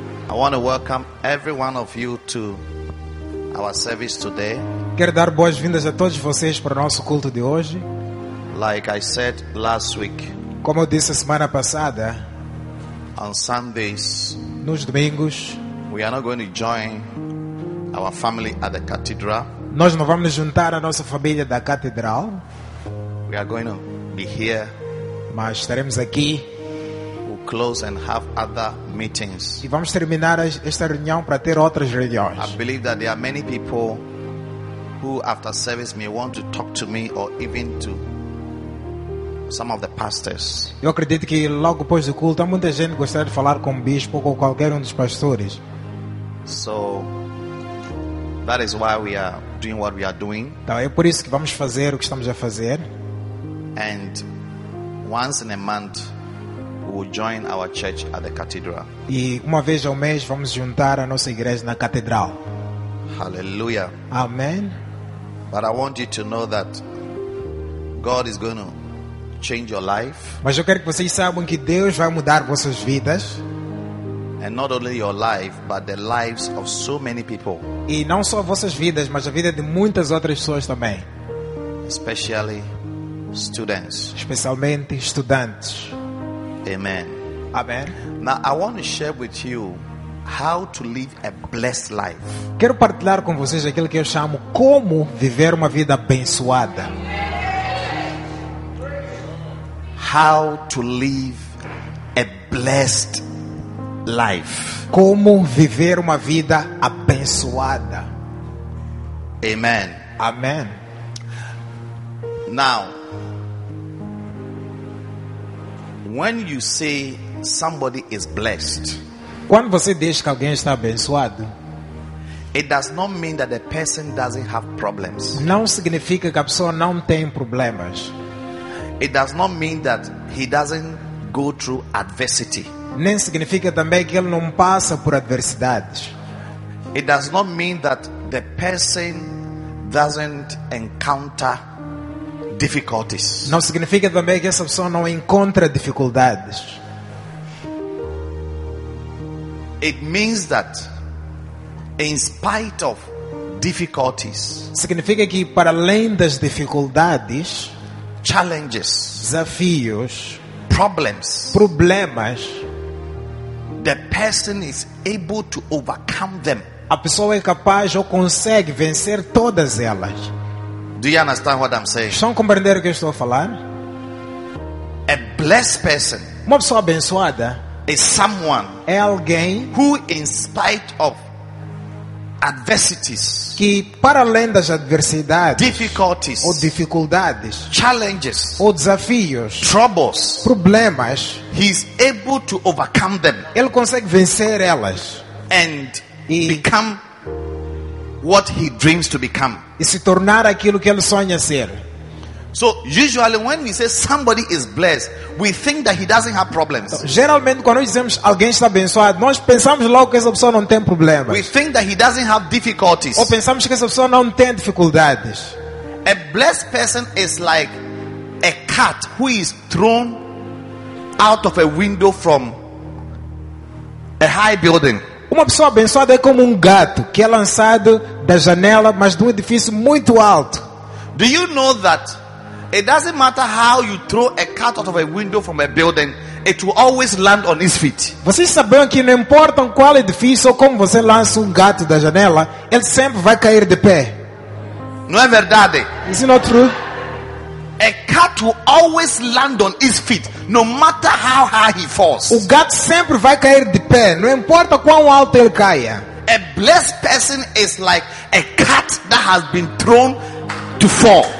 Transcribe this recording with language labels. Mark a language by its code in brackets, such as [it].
[en] I want to welcome every one of you to our service today. [pt] Quero dar boas-vindas a todos vocês para o nosso culto de hoje. [en] Like I said last week. [pt] Como eu disse a semana passada, [en] on Sundays, [pt] nos domingos, [en] we are not going to join our family at the cathedral. [pt] Nós não vamos juntar a nossa família da catedral. [en] We are going to be here. [pt] Mas estaremos aqui. [en] We'll close and have other meetings. [pt] E vamos terminar esta reunião para ter outras reuniões. [en] I believe that there are many people who after service may want to talk to me or even to some of the pastors. [pt] Eu acredito que logo depois do culto há muita gente gostaria de falar com o bispo ou qualquer dos pastores. [en] So that is why we are doing what we are doing. [pt] Então, é por isso que vamos fazer o que estamos a fazer. [en] And once in a month we will join our church at the cathedral. [pt] E uma vez ao mês vamos juntar a nossa igreja na catedral. [en] Hallelujah. [pt] Amen. [en] But I want you to know that God is going to change your life. [pt] Mas eu quero que vocês saibam que Deus vai mudar vossas vidas. [en] And not only your life, but the lives of so many people. [pt] E não só vossas vidas, mas a vida de muitas outras pessoas também. [en] Especially students. [pt] Especialmente estudantes. [en] Amen. [pt] Amen. [en] Now I want to share with you how to live a blessed life. [pt] Quero partilhar com vocês aquilo que eu chamo como viver uma vida abençoada. [en] How to live a blessed life. [pt] Como viver uma vida abençoada. [en] Amen. [pt] Amen. [en] Now, when you say somebody is blessed, [pt] quando você diz que alguém está abençoado, [en] it does not mean that the person doesn't have problems. [pt] Não significa que a pessoa não tem problemas. [en] It does not mean that he doesn't go through adversity. [pt] Nem significa também que ele não passa por adversidades. [en] It does not mean that the person doesn't encounter difficulties. [pt] Não significa também que essa pessoa não encontra dificuldades. [en] It means that in spite of difficulties. [pt] Significa que para além das dificuldades, [en] challenges, [pt] desafios, [en] problems, [pt] problemas, [en] the person is able to overcome them. [pt] A pessoa é capaz ou consegue vencer todas elas. [en] Do you understand what I'm saying? [pt] Estão compreendendo o que eu estou a falar? [en] A blessed person, [pt] uma pessoa abençoada, [en] is someone, [pt] é alguém [en] who in spite of adversities, [pt] que para além das adversidades, [en] difficulties, [pt] ou dificuldades, [en] challenges, [pt] ou desafios, [en] troubles, [pt] problemas, [en] he is able to overcome them, [pt] ele consegue vencer elas, [en] and become what he dreams to become, [pt] e se tornar aquilo que ele sonha ser. [en] So usually when we say somebody is blessed, we think that he doesn't have problems. [pt] Geralmente quando dizemos alguém está abençoado, nós pensamos logo que essa pessoa não tem problemas. [en] We think that he doesn't have difficulties. [pt] Ou pensamos que essa pessoa não tem dificuldades. [en] A blessed person is like a cat who is thrown out of a window from a high building. [pt] Uma pessoa abençoada é como um gato que é lançado da janela, mas de um edifício muito alto. [en] Do you know that it doesn't matter how you throw a cat out of a window from a building, it will always land on his feet. [pt] Vocês sabem que não importa qual edifício ou como você lança um gato da janela, ele sempre vai cair de pé. Não é verdade? [en] Is it not true? A cat will always land on his feet, no matter how high he falls. [pt] O gato sempre vai cair de pé, não importa quão alto ele caia. [en] A blessed person is like a cat that has been thrown to fall.